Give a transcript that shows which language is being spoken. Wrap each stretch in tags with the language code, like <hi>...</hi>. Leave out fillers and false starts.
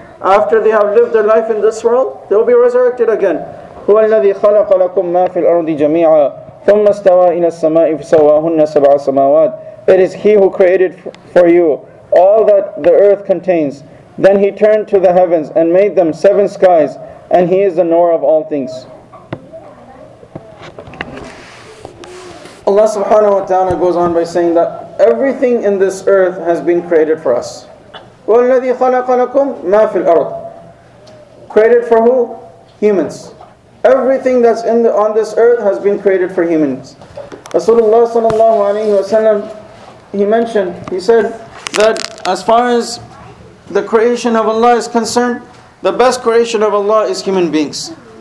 <en>After they have lived their life in this world, they will be resurrected again.</en> <ar>هو الذي خلق لكم ما في الأرض جميعا ثم استوى إلى السماء فسواهن سبع سماوات.</ar> <en>It is He who created for you all that the earth contains. Then He turned to the heavens and made them seven skies, and He is the knower of all things. Allah subhanahu wa ta'ala goes on by saying that everything in this earth has been created for us.</en> <ar>هو الذي خلق لكم ما في الأرض.</ar> <en>Created for who? Humans. Everything that's on this earth has been created for humans. Rasulullah sallallahu alayhi wa sallam, he said that as far as the creation of Allah is concerned, the best creation of Allah is human beings.</en>